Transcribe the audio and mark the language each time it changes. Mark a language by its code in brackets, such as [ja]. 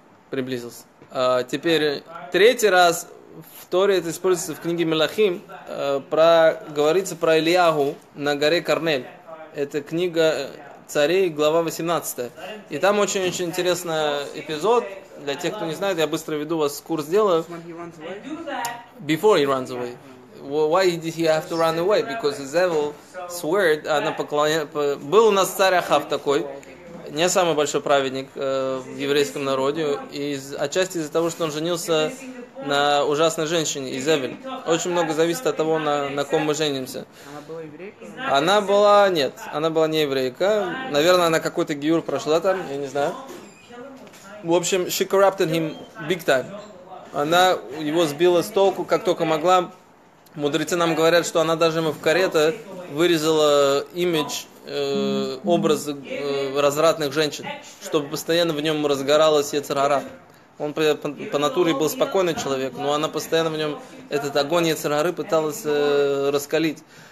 [ru] Приблизился. Теперь, третий раз в Торе это используется в книге «Мелахим», говорится про Илиягу на горе Кармель. Это книга «Царей», глава 18. И там очень-очень интересный эпизод. Для тех, кто не знает, я быстро веду вас, курс делаю. [en] Before he runs away. Why did he have to run away? Because his evil sword, [ru] она поклоняется. Был у нас царь Ахав такой, не самый большой праведник в еврейском народе. И отчасти из-за того, что он женился на ужасной женщине, Изевель. Очень много зависит от того, на ком мы женимся. Она была не еврейка. Наверное, она какой-то гиюр прошла там, я не знаю. В общем, [en] she corrupted him big time. [ru] Она его сбила с толку, как только могла. Мудрецы нам говорят, что она даже ему в карете вырезала имидж, образ развратных женщин, чтобы постоянно в нем разгоралась яцер ара. Он по натуре был спокойный человек, но она постоянно в нем этот огонь яцерары пыталась раскалить.